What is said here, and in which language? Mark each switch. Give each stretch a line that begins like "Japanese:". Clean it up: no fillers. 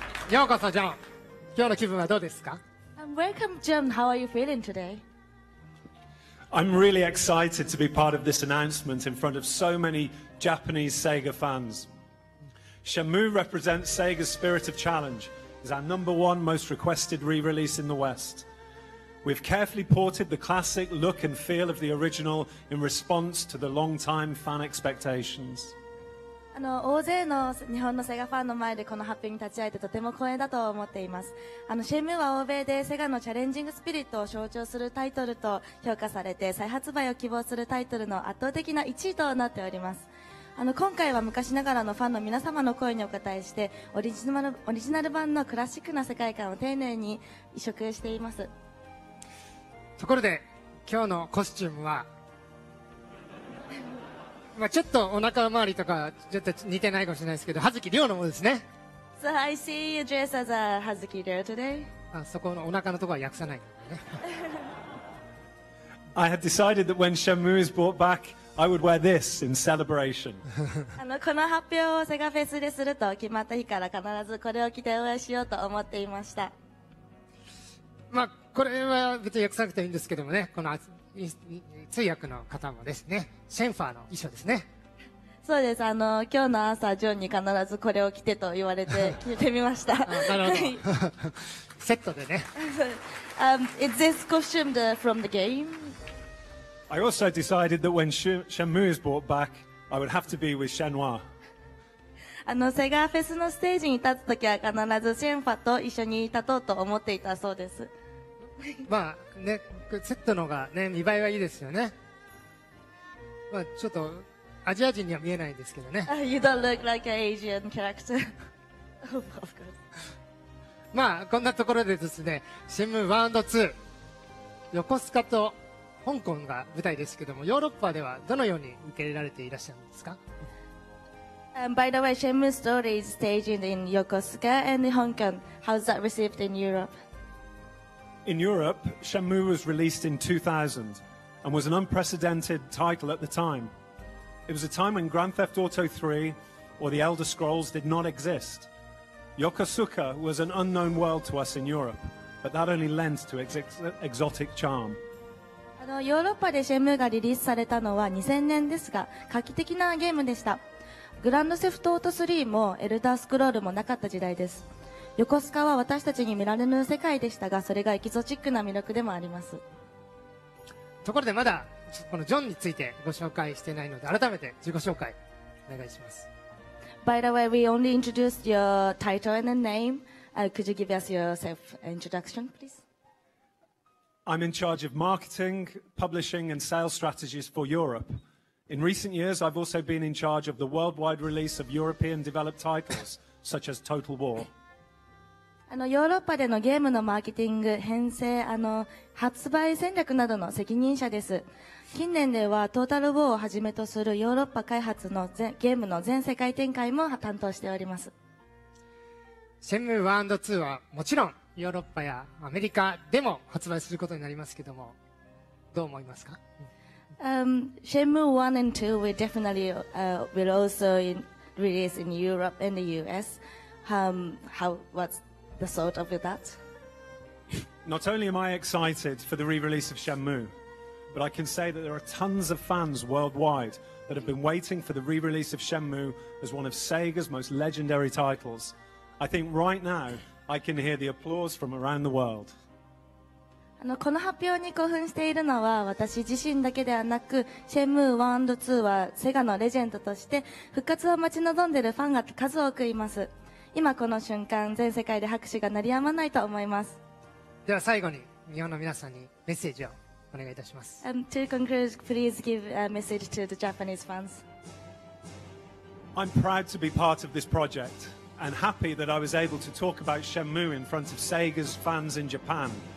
Japanese: ようこそジョン、今日の気分はどうですか？
English: Welcome Jim, how are you feeling today? I'm really excited to be part of this announcement in front of so many Japanese Sega fans. Shenmue represents Sega's spirit of challenge. It's our number one most requested re-release in the West. We've carefully ported the classic look and feel of the original in response to the long-time fan expectations.
Japanese: 大勢の日本のセガファンの前でこの発表に立ち会えてとても光栄だと思っています。シェムは欧米でセガのチャレンジングスピリットを象徴するタイトルと評価されて、再発売を希望するタイトルの圧倒的な1位となっております。今回は昔ながらのファンの皆様の声にお応えして、オリジナル版のクラシックな世界観を丁寧に移植しています。ところで今日のコスチュームは、まあ、ちょっとお腹周りとかちょっと似てないかもしれないですけど、葉月亮のものですね。
English: So I see you dress as a 葉月亮 today.
Japanese: あ、そこのお腹のところは訳さない
English: I had decided that when Shenmue is brought back, I would wear this in celebration.
Japanese: この発表をセガフェスですると決まった日から必ずこれを着て応援しようと思っていました。まあこれは別に訳さなくていいんですけどもね、この通訳の方もですね、シェンファーの衣装ですね。そうです。今日の朝ジョンに必ずこれを着てと言われて着てみました。なるほど。セットでね。
English: Is this costume the, from the game? I also decided that when Shenmue is brought back, I would have to be with Shenhua.
Japanese: セガフェスのステージに立つときは必ずシェンファと一緒に立とうと思っていたそうです。まあね、セットの方がね、見栄えはいいですよね。まあちょっとアジア人には見えないんですけどね。
English: You don't look like an Asian character. Of course.
Japanese: まあこんなところでですね、Shenmue 1&2、横須賀と香港が舞台ですけども、ヨーロッパではどのように受け入れられていらっしゃるんですか。
English: By the way, Shenmue's story is staged in Yokosuka and Hong Kong. How's that received in Europe? In Europe, Shenmue was released in 2000 and was an unprecedented title at the time. It was a time when Grand Theft Auto 3 or The Elder Scrolls did not exist. Yokosuka was an unknown world to us in Europe, but that only lends to its exotic charm.
Japanese: ヨーロッパでシェムがリリースされたのは2000年ですが、画期的なゲームでした。グランドセフトオート3もエルダースクロールもなかった時代です。横須賀は私たちに見られぬ世界でしたが、それがエキゾチックな魅力でもあります。ところでまだこのジョンについてご紹介していないので、改めて自己紹介お願いします。
English: By the way, we only introduced your title and name. Could you give us yourself introduction, please I'm in charge of marketing, publishing and sales strategies for Europe. In recent years, I've also been in charge of the worldwide release of European developed titles, such as Total War.
Japanese: ヨーロッパでのゲームのマーケティング、編成、発売戦略などの責任者です。近年では Total War をはじめとするヨーロッパ開発のゲームの全世界展開も担当しております。 Shenmue 1&2 はもちろん、ヨーロッパやアメリカでも発売することになりますけども、どう思いますか？
English: Shenmue 1 and 2 will definitely will also in, release in Europe and the US. How what's the thought of that? Not only am I excited for the re-release of Shenmue, but I can say that there are tons of fans worldwide that have been waiting for the re-release of Shenmue as one of Sega's most legendary titles. I think right now,I can hear the applause from around the world.
Japanese: この発表に興奮しているのは私自身だけではなく、Shenmue 1 and 2はセガのレジェンドとして復活を待ち望んでいるファンが数多くいます。今この瞬間、全世界で拍手が鳴り止まないと思います。では最後に日本の皆さんにメッセージをお願いいたします。
English: To conclude, please give a message to the Japanese fans. I'm proud to be part of this projectAnd happy that I was able to talk about Shenmue in front of Sega's fans in Japan.